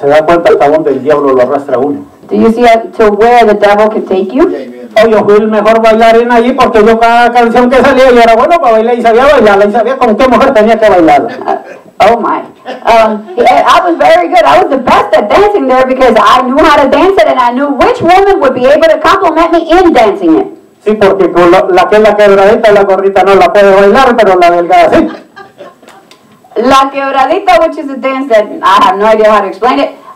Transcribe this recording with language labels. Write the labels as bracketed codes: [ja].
[es] ¿Se da cuenta hasta donde el diablo lo arrastra uno? [en] Do you see to where the devil can take you? [es] Oh, yo fui el mejor bailarín allí porque yo cada canción que salía yo era bueno para bailar y sabía bailarla y sabía con qué mujer tenía que bailar. [en] I was very good. I was the best at dancing there because I knew how to dance it and I knew which woman would be able to compliment me in dancing it. [es] Sí, porque con la que es la quebradita y la gordita no la puede bailar, pero la delgada sí. [en] La quebradita, which is a dance that I have no idea how to explain it.